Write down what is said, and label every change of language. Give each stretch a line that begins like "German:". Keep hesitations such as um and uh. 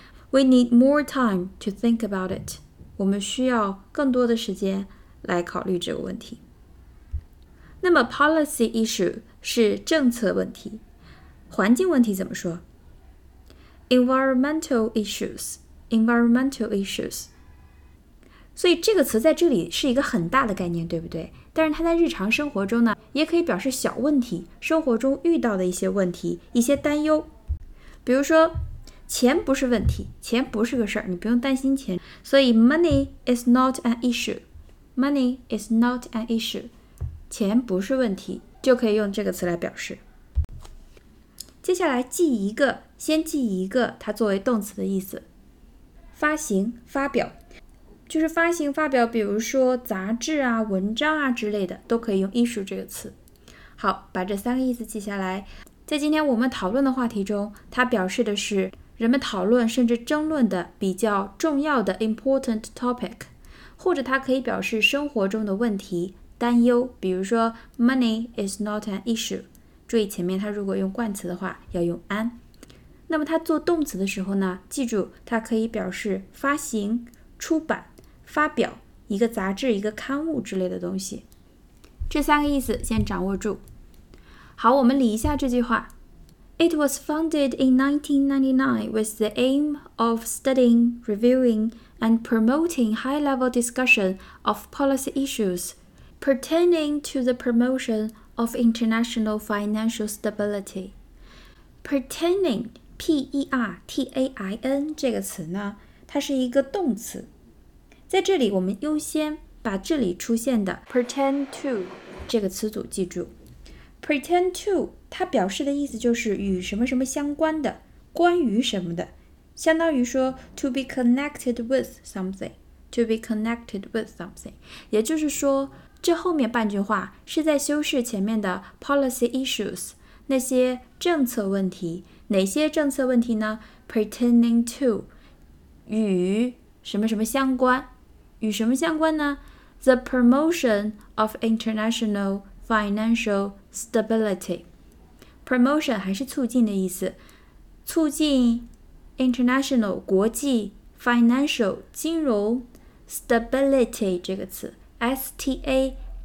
English: We need more time to think about it.
Chinese: 我们需要更多的时间来考虑这个问题。那么，policy issue 是政策问题，环境问题怎么说？
English: Environmental issues Environmental issues，
Chinese: 所以这个词在这里是一个很大的概念，对不对？但是它在日常生活中呢，也可以表示小问题，生活中遇到的一些问题、一些担忧。比如说，钱不是问题，钱不是个事儿，你不用担心钱。
English: 所以，money is not an issue，money is not an issue，
Chinese: 钱不是问题，就可以用这个词来表示。接下来记一个，先记一个，它作为动词的意思。发行、发表，就是发行、发表，比如说杂志啊、文章啊之类的，都可以用“艺术”这个词。好，把这三个意思记下来。在今天我们讨论的话题中，它表示的是人们讨论甚至争论的比较重要的 important topic，或者它可以表示生活中的问题、担忧，比如说
English: money is not an issue。
Chinese: 注意前面它如果用冠词的话，要用 an。那么它做动词的时候呢？记住，它可以表示发行、出版、发表一个杂志、一个刊物之类的东西。这三个意思先掌握住。
English: 好，我们理一下这句话：It was founded in 1999 with the aim of studying, reviewing, and promoting high-level discussion of policy issues pertaining to the promotion of international financial stability, pertaining.
Chinese: pertain 这个词呢，它是一个动词。在这里，我们优先把这里出现的 pretend to 这个词组记住。 pretend to 它表示的意思就是与什么什么相关的，关于什么的，相当于说
English: to be connected with something，
Chinese: to be connected with something，也就是说，这后面半句话是在修饰前面的 policy issues 那些政策问题。哪些政策问题呢？Pertaining to 与什么什么相关？与什么相关呢？
English: The promotion of international financial stability。
Chinese: Promotion 还是促进的意思，促进 international 国际 financial 金融 stability 这个词，S-T-A-B-I-L-I-T-Y。